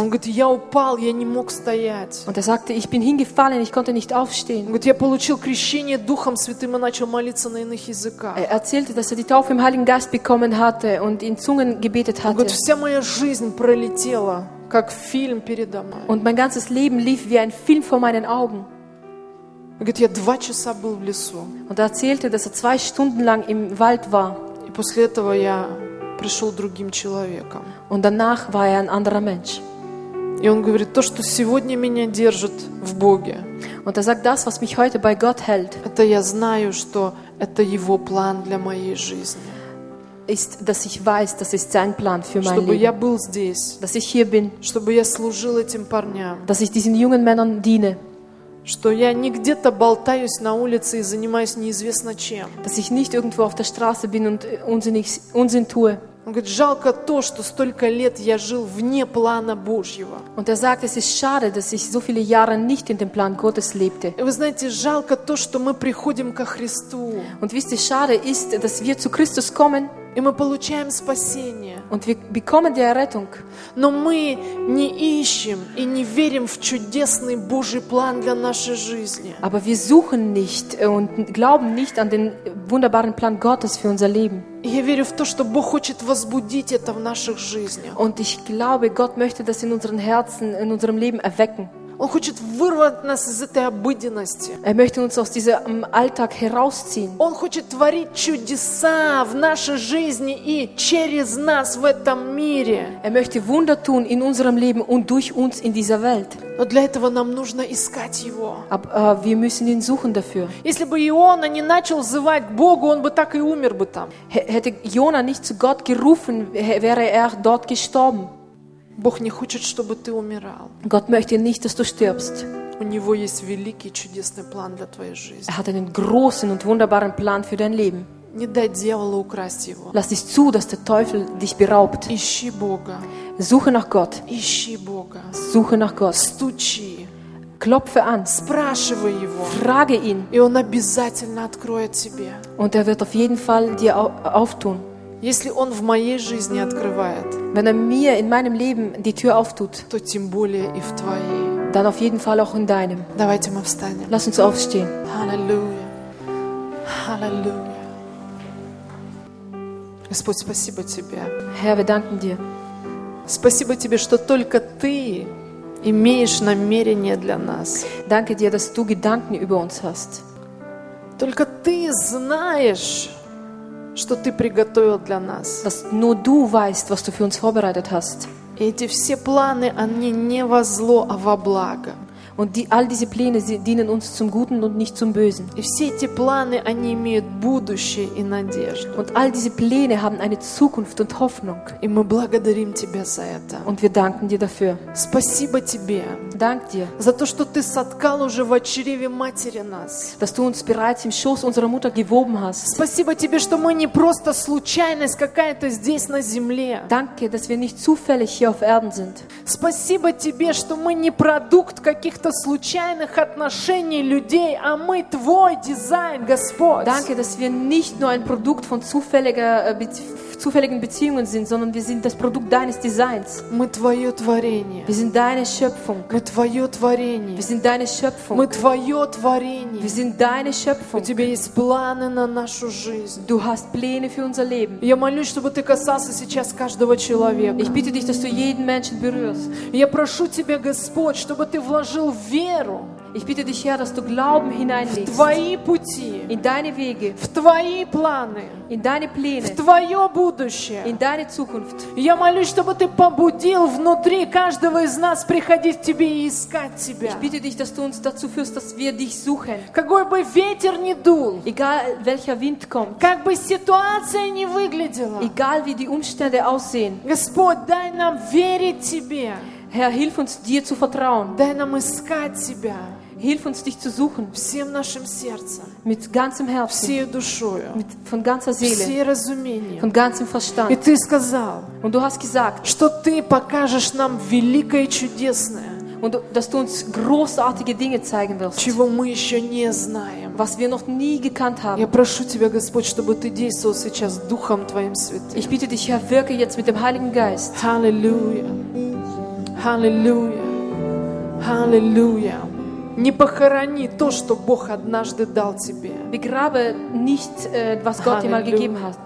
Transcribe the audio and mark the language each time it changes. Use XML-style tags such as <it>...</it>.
<ru>Он говорит, я упал, я не мог стоять.</ru> <de>Und er sagte, ich bin hingefallen, ich konnte nicht aufstehen.</de> <ru>Он говорит, я получил крещение Духом Святым и начал молиться на иных языках.</ru> <de>Er erzählte, dass er die Taufe im Heiligen Geist bekommen hatte und in Zungen gebetet hatte.</de> <ru>Он говорит, вся моя жизнь пролетела, как фильм передо мной.</ru> <de>Und mein ganzes Leben lief wie ein Film vor meinen Augen.</de> <ru>Он говорит, я два часа был в лесу.</ru> <de>Und er erzählte, dass er zwei Stunden lang im Wald war.</de> <ru>И после этого я пришел другим человеком.</ru> <de>Und danach war ein anderer Mensch.</de> <ru>И он говорит, то, что сегодня меня держит в Боге.</ru> <de>Und er sagt, das, was mich heute bei Gott hält.</de> <ru>Это я знаю, что это его план для моей жизни.</ru> <de>Ist, dass ich weiß, das ist sein Plan für mein</de> <ru>чтобы</ru> <de>Leben.</de> <ru>Чтобы я был здесь.</ru> <de>Dass ich hier bin.</de> <ru>Чтобы я служил этим парням.</ru> <de>Dass ich diesen jungen Männern diene.</de> <ru>Что я не где-то болтаюсь на улице и занимаюсь неизвестно чем.</ru> <de>Dass ich nicht irgendwo auf der Straße bin und Unsinn tue.</de> <ru>Он говорит, жалко то, что столько лет я жил вне плана Божьего.</ru> <de>Und er sagt, es ist schade, dass ich so viele Jahre nicht in dem Plan Gottes lebte.</de> <ru>И вы знаете, жалко то, что мы приходим ко Христу.</ru> <de>Und wisst ihr, schade ist, dass wir zu Christus kommen.</de> <ru>И мы получаем спасение.</ru> <de>Und wir bekommen die Errettung.</de> <ru>Но мы не ищем и не верим в чудесный Божий план для нашей жизни.</ru> <de>Aber wir suchen nicht und glauben nicht an den wunderbaren Plan Gottes für unser Leben.</de> <ru>Я верю в то, что Бог хочет возбудить это в наших жизнях.</ru> <de>Und ich glaube, Gott möchte das in unseren Herzen, in unserem Leben erwecken.</de> <ru>Он хочет вырвать нас из этой обыденности.</ru> <de>Er möchte uns aus diesem Alltag herausziehen.</de> <ru>Он хочет творить чудеса в нашей жизни и через нас в этом мире.</ru> <de>Er möchte Wunder tun in unserem Leben und durch uns in dieser Welt.</de> <ru>Но для этого нам нужно искать его.</ru> <de>Wir müssen ihn suchen dafür.</de> <ru>Если бы Иона не начал взывать к Богу, он бы так и умер бы там.</ru> <de>Hätte Jona nicht zu Gott gerufen, wäre er dort gestorben.</de> <ru>Бог не хочет, чтобы ты умирал.</ru> <de>Gott möchte nicht, dass du stirbst.</de> <ru>У него есть великий чудесный план для твоей жизни.</ru> <de>Er hat einen großen und wunderbaren Plan für dein Leben.</de> <ru>Не дай дьяволу украсть его.</ru> <de>Lass nicht zu, dass der Teufel dich beraubt.</de> <ru>Ищи Бога.</ru> <de>Suche nach Gott.</de> <ru>Ищи Бога.</ru> <de>Suche nach Gott.</de> <ru>Стучи.</ru> <de>Klopfe an.</de> <ru>Спрашивай его.</ru> <de>Frage ihn.</de> <ru>И он обязательно откроет тебе.</ru> <de>Und er wird auf jeden Fall dir auftun.</de> <ru>Если он в моей жизни открывает,</ru> <de>wenn er mir in meinem Leben die Tür auftut,</de> <ru>то тем более и в твоей.</ru> <de>Dann auf jeden Fall auch in deinem.</de> <ru>Давайте мы встанем.</ru> <de>Lass uns aufstehen. Halleluja. Halleluja.</de> <ru>Господь, спасибо тебе.</ru> <de>Herr, wir danken dir.</de> <ru>Спасибо тебе, что только ты имеешь намерение для нас.</ru> <de>Danke dir, dass du Gedanken über uns hast.</de> <ru>Только ты знаешь, что ты приготовил для нас.</ru> <de>Nur du weißt, was du für uns vorbereitet hast.</de> <ru>И эти все планы, они не во зло, а во благо.</ru> <de>Und die, all diese Pläne, sie dienen uns zum Guten und nicht zum Bösen.</de> <ru>И все эти планы, они имеют будущее и надежду.</ru> <de>Und all diese Pläne haben eine Zukunft und Hoffnung.</de> <ru>И мы благодарим тебя за это.</ru> <de>Und wir danken dir dafür.</de> <ru>Спасибо тебе.</ru> <de>Dank dir.</de> <ru>За то, что ты соткал уже в чреве матери нас.</ru> <de>Dass du uns bereits im Schoß unserer Mutter gewoben hast.</de> <ru>Спасибо тебе, что мы не просто случайность какая-то здесь на земле.</ru> <de>Danke, dass wir nicht zufällig hier auf Erden sind.</de> <ru>Спасибо тебе, что мы не продукт каких-то случайных отношений людей, а мы твой дизайн, Господь.</ru> <de>Danke, dass wir nicht nur ein Produkt von zufälligen Beziehungen sind, sondern wir sind das Produkt deines Designs.</de> <ru>Мы твое творение.</ru> <de>Wir sind deine Schöpfung.</de> <ru>Мы твое творение.</ru> <de>Wir sind deine Schöpfung.</de> <ru>Мы твое творение.</ru> <de>Wir sind deine Schöpfung.</de> <ru>У тебя есть планы на нашу жизнь.</ru> <de>Du hast Pläne für unser Leben.</de> <ru>Я молюсь, чтобы ты касался сейчас каждого человека.</ru> <de>Ich bitte dich, dass du jeden Menschen berührst.</de> <ru>Я прошу тебя, Господь, чтобы ты вложил веру.</ru> <de>Ich bitte dich, Herr, dass du Glauben hineinlegst.</de> <ru>В твои пути.</ru> <de>In deine Wege.</de> <ru>В твои планы.</ru> <de>In deine Pläne.</de> <ru>В твое будущее.</ru> <de>In deine Zukunft.</de> <ru>Я молюсь, чтобы ты побудил внутри каждого из нас приходить к тебе и искать тебя.</ru> <de>Ich bitte dich, dass du uns dazu führst, dass wir dich suchen.</de> <ru>Какой бы ветер ни дул.</ru> <de>Egal, welcher Wind kommt.</de> <ru>Как бы ситуация ни выглядела.</ru> <de>Egal, wie die Umstände aussehen.</de> <ru>Господь, дай нам верить тебе.</ru> <de>Herr, hilf uns, dir zu vertrauen.</de> <ru>Дай нам искать тебя.</ru> <de>Hilf uns, dich zu suchen.</de> <ru>Всем нашим сердцем.</ru> <de>Mit ganzem Herzen.</de> <ru>Всею душою.</ru> <de>Mit, von ganzer Seele.</de> <ru>Всей разумением.</ru> <de>Von ganzem Verstand.</de> <ru>И ты сказал.</ru> <de>Und du hast gesagt.</de> <ru>Что ты покажешь нам великое и чудесное.</ru> <de>Und dass du uns großartige Dinge zeigen wirst.</de> <ru>Чего мы еще не знаем.</ru> <de>Was wir noch nie gekannt haben.</de> <ru>Я прошу тебя, Господь, чтобы ты действовал сейчас Духом твоим святым.</ru> <de>Ich bitte dich, Herr, wirke jetzt mit dem Heiligen Geist.</de> <ru>Halleluja. Аллилуйя. Аллилуйя. Не похорони то, что Бог однажды дал тебе.</ru> <de>Begrabe nicht, was Gott dir mal gegeben hat.</de>